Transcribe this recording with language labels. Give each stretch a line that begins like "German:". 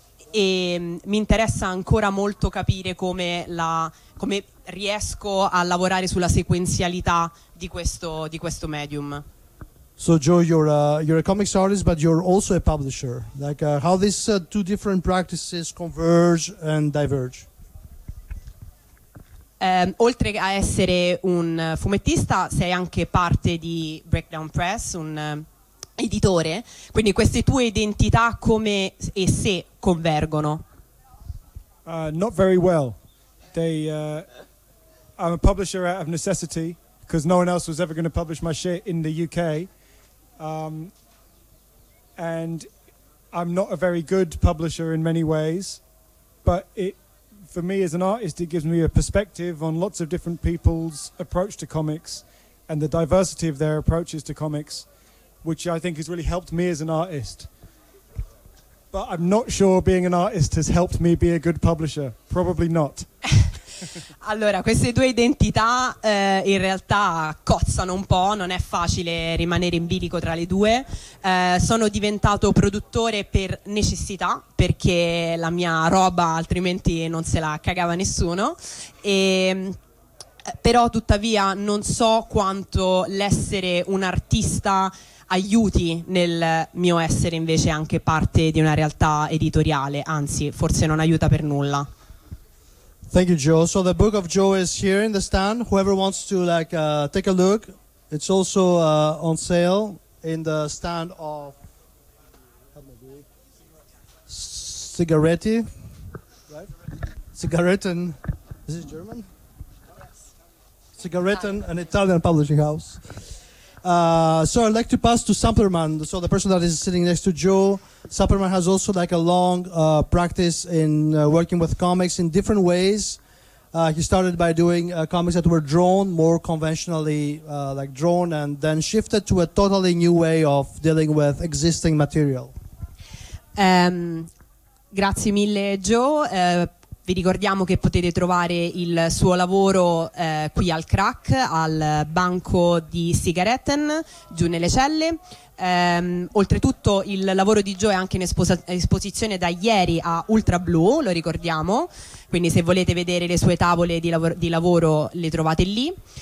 Italian: E mi interessa ancora molto capire come riesco a lavorare sulla sequenzialità di questo medium.
English: So Joe, you're a comics artist, but you're also a publisher. Like how these two different practices converge and diverge?
Italian: Oltre a essere un fumettista, sei anche parte di Breakdown Press, un editore. Quindi queste due identità come e se convergono?
English: Not very well. I'm a publisher out of necessity because no one else was ever going to publish my shit in the UK. And I'm not a very good publisher in many ways, but it, for me as an artist, it gives me a perspective on lots of different people's approach to comics and the diversity of their approaches to comics, which I think has really helped me as an artist. But I'm not sure being an artist has helped me be a good publisher. Probably not.
Italian: Allora, queste due identità in realtà cozzano un po', non è facile rimanere in bilico tra le due. Sono diventato produttore per necessità, perché la mia roba altrimenti non se la cagava nessuno. Però tuttavia non so quanto l'essere un artista aiuti nel mio essere invece anche parte di una realtà editoriale, anzi forse non aiuta per nulla.
English: Thank you, Joe. So the book of Joe is here in the stand. Whoever wants to take a look, it's also on sale in the stand of Cigaretti. Right? Cigaretten. Is it German? Yes. Cigaretten, an Italian publishing house. So I'd like to pass to Samperman. So the person that is sitting next to Joe, Samperman has also a long practice in working with comics in different ways. He started by doing comics that were drawn more conventionally, like drawn, and then shifted to a totally new way of dealing with existing material.
Italian: Grazie mille, Joe. Vi ricordiamo che potete trovare il suo lavoro qui al Crack, al banco di Sigaretten, giù nelle celle. Oltretutto il lavoro di Joe è anche in esposizione da ieri a Ultra Blu, lo ricordiamo, quindi se volete vedere le sue tavole di lavoro le trovate lì.